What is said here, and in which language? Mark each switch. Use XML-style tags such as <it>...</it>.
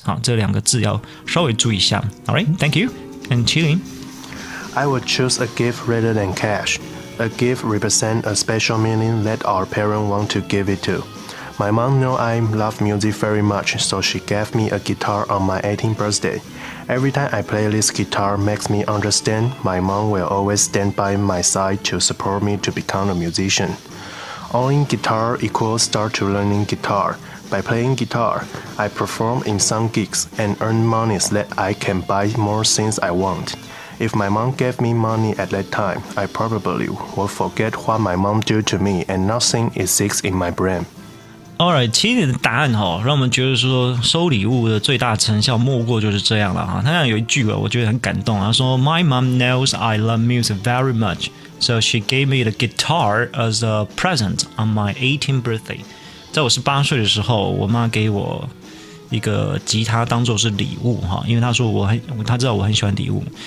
<zh>好，这两个字要稍微注意一下。</zh> <en>All right, thank you. And Qilin, I would choose a gift rather than cash. A gift represents a special meaning that our parents want to give it to. My mom knows I love music very much, so she gave me a guitar on my 18th birthday. Every time I play this guitar makes me understand my mom will always stand by my side to support me to become a musician. Owning guitar equals start to learning guitar. By playing guitar, I perform in some gigs and earn money so that I can buy more things I want. If my mom gave me money at that time, I probably will forget what my mom did to me and nothing is sticks in my brain.</en> <zh>Alright, 其实你的答案哈，让我们觉得说收礼物的最大成效莫过就是这样了哈。他讲有一句我觉得很感动，他说</zh> <en>My mom knows I love music very much, so she gave me the guitar as a present on my 18th birthday.</en> <zh>在我18岁的时候，我妈给我一个吉他当作是礼物哈，因为他说他知道我很喜欢礼物。</zh>